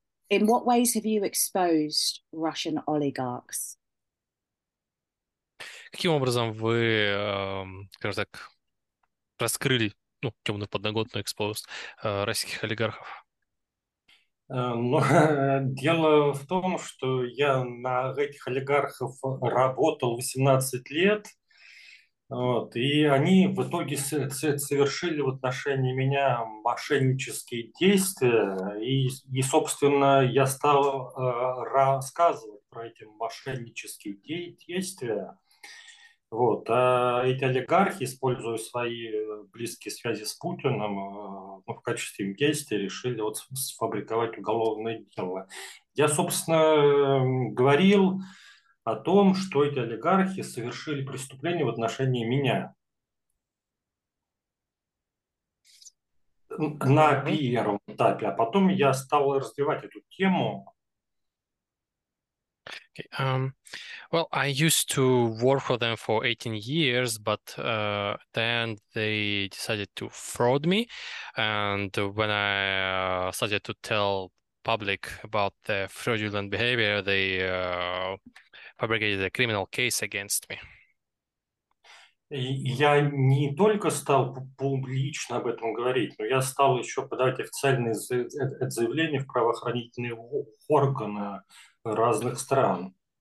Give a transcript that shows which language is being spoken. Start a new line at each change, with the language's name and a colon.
English: In what ways have you exposed Russian oligarchs?
Russian: Каким образом вы, скажем так, раскрыли, ну, темную подноготную exposed российских олигархов? Ну, дело в том, что я на этих олигархов работал 18 лет, вот, и они в итоге совершили в отношении меня мошеннические действия, и собственно, я стал рассказывать про эти мошеннические действия. Вот, а эти олигархи, используя свои близкие связи с Путиным, ну, в качестве гестя решили вот сфабриковать уголовное дело. Я, собственно, говорил о том, что эти олигархи совершили преступление в отношении меня. На первом этапе, а потом я стал развивать эту тему.
English: Okay. Well, I used to work for them for 18 years, but then they decided to fraud me. And when I started to tell public about their fraudulent behavior, they fabricated a criminal case against me.
Russian: Я не только стал публично об этом говорить, но я стал еще подавать официальные заявления в правоохранительные органы разных стран.